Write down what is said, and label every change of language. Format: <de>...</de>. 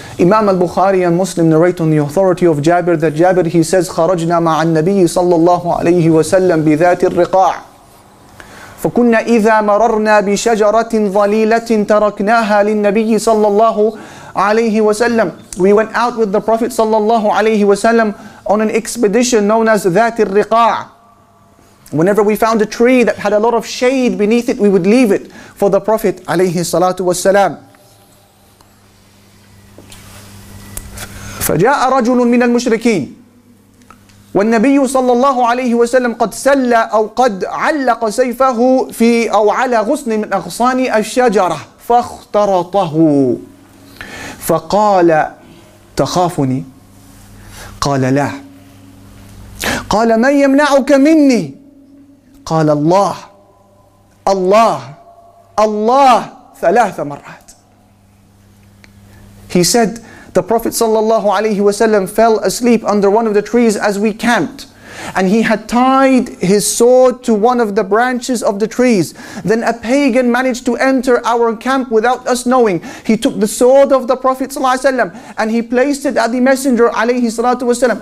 <en>Imam al-Bukhari and Muslim narrate on the authority of Jabir that Jabir, he says,</en> <ar>خَرَجْنَا مَعَ النَّبِيِّ صَلَّى اللَّهُ عَلَيْهِ وَسَلَّمْ بِذَاتِ الرِّقَاعِ فَكُنَّا إِذَا مَرَرْنَا بِشَجَرَةٍ ظَلِيلَةٍ تَرَكْنَاهَا لِلنَّبِيِّ صَلَّى اللَّهُ عَلَيْهِ وَسَلَّمْ.</ar> <en>We went out with the Prophet sallallahu alayhi wasallam on an expedition known as ذات الرقاع. Whenever we found a tree that had a lot of shade beneath it, we would leave it for the Prophet alayhi salatu wasalam.</en> <ar>فَجَاءَ رَجُلٌ مِنَ الْمُشْرِكِينَ والنبي صلى الله عليه وسلم قد سلى أو قد علق سيفه في أو على غصن من أغصان الشجرة فاخترطه فقال تخافني؟ قال لا. قال من يمنعك مني؟ قال الله الله الله ثلاث مرات.</ar> <en>He said, the Prophet ﷺ fell asleep under one of the trees as we camped. and he had tied his sword to one of the branches of the trees. Then a pagan managed to enter our camp without us knowing. He took the sword of the Prophet ﷺ and he placed it at the Messenger ﷺ.</en>